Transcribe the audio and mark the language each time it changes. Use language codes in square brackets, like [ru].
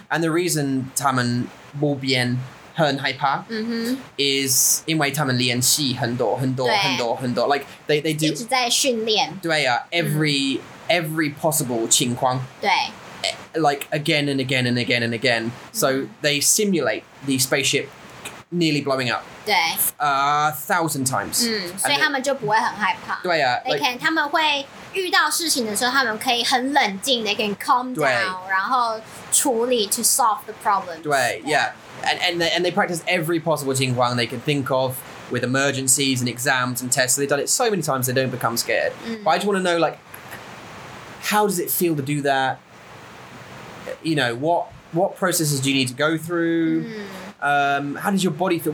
[en] And the reason [zh] 他们不变很害怕 is 因为他们练习很多很多很多很多. [en] Like, they do... [zh] 一直在训练. 对啊, [en] every... every possible 情况. [zh] 对. [en] Like again and again and again and again. Mm-hmm. So they simulate the spaceship nearly blowing up. [zh] 对. [en] 1,000 times. [zh] 所以他们就不会很害怕. 对啊. Like, 他们会遇到事情的时候，他们可以很冷静. [en] They can calm down. [zh] 然后处理 [en] to solve the problem. [zh] 对. [en] Yeah. And they practice every possible 情况 they can think of with emergencies and exams and tests. So they've done it so many times they don't become scared. Mm. But I just want to know, like, how does it feel to do that? You know, what processes do you need to go through? Mm. How does your body feel?